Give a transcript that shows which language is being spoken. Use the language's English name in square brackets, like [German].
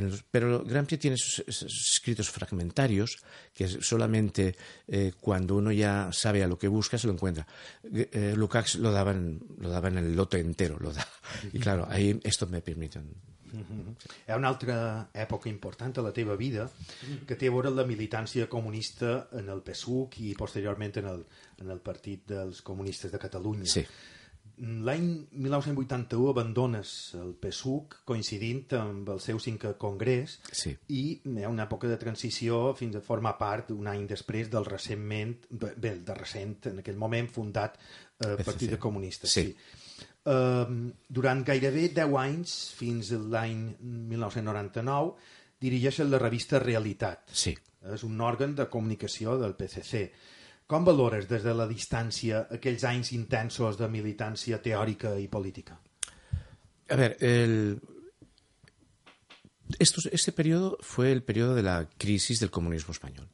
[Spanish] Pero Gramsci tiene esos escritos fragmentarios que solamente cuando uno ya sabe a lo que busca se lo encuentra. Lukács lo daba en el lote entero. Lo da. Y claro, ahí esto me permite. [Catalan] Hi ha una altra època important a la teva vida que té a veure amb la militància comunista en el PSUC i posteriorment en el Partit dels Comunistes de Catalunya. Sí. L'any 1981 abandones el PSUC coincidint amb el seu cinquè congrés, sí. I hi ha una època de transició fins a formar part un any després del recentment, bé, de recent, en aquell moment, fundat Partit de Comunistes. Sí. Sí. Durant gairebé 10 anys, fins a l'any 1999, dirigeixes la revista Realitat. Sí. És un òrgan de comunicació del PCC. Com valores des de la distància aquells anys intensos de militància teòrica i política? [Spanish] A ver, este periodo fue el periodo de la crisis del comunismo español.